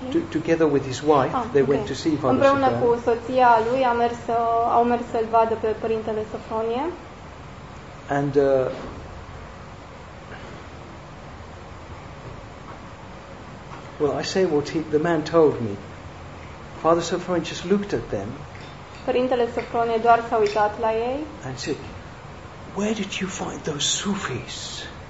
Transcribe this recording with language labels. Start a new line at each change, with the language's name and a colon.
English: Together with his wife they went to see Father Sofronie.
Romanian: Împreună cu soția lui au mers să-l vadă pe părintele Sofronie.
English: And uh, Well, I say what the man told me. Father Sofronie just looked at them.
Romanian: Părintele Sofronie doar s-a uitat la ei.
English: And said, "Where did you find those Sufis?"